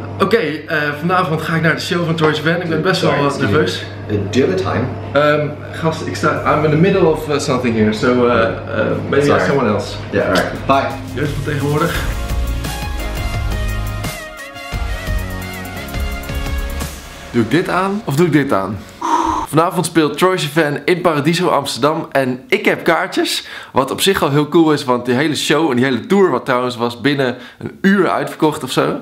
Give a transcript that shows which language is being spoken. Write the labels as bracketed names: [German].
[Dutch] Oké, vanavond ga ik naar de show van Troye Sivan. Ik ben best wel wat nerveus. [English] Do you have a time? [Dutch] Gast, ik sta... [English] I'm in the middle of something here, so maybe ask someone else. Yeah, alright. Bye. [Dutch] Jeugd van tegenwoordig. Doe ik dit aan of doe ik dit aan? Vanavond speelt Troye Sivan in Paradiso Amsterdam en ik heb kaartjes. Wat op zich al heel cool is, want die hele show en die hele tour, wat trouwens was binnen een uur uitverkocht of zo.